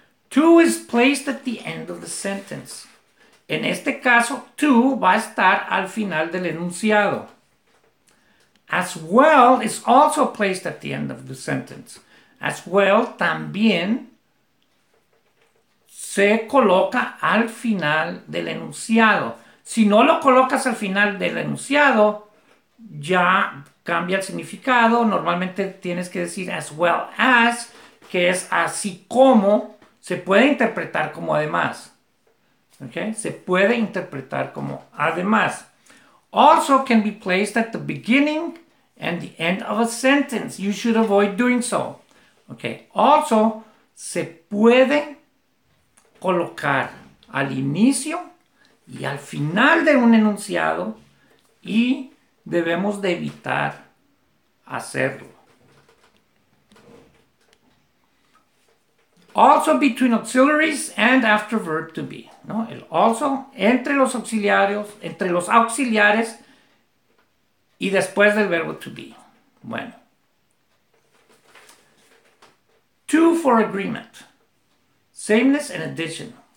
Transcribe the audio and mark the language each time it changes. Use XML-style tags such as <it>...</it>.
<en>To is placed at the end of the sentence.</en> <es>En este caso, to va a estar al final del enunciado.</es> <en>As well is also placed at the end of the sentence.</en> <es>As well también se coloca al final del enunciado. Si no lo colocas al final del enunciado, ya cambia el significado. Normalmente tienes que decir as well as, que es así como, se puede interpretar como además. ¿Okay? Se puede interpretar como además.</es> <en>Also can be placed at the beginning and the end of a sentence. You should avoid doing so. ¿Okay?</en> <es>Also se puede colocar al inicio y al final de un enunciado y debemos de evitar hacerlo.</es> <en>Also between auxiliaries and after verb to be, ¿no?</en> <es>El also entre los auxiliares y después del verbo to be. Bueno.</es> <en>To for agreement. Sameness and addition.</en>